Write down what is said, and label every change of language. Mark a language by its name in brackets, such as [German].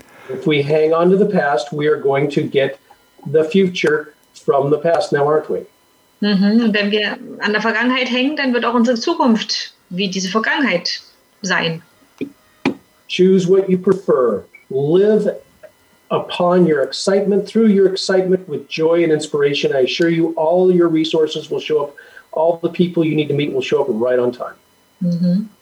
[English] If we hang on to the past, we are going to get the future from the past now, aren't we? [German] Und wenn wir an der Vergangenheit hängen, dann wird auch unsere Zukunft wie diese Vergangenheit sein. [English] Choose what you prefer. Live upon your excitement, through your excitement, with joy and inspiration. I assure you, all your resources will show up. All the people you need to meet will show up right on time.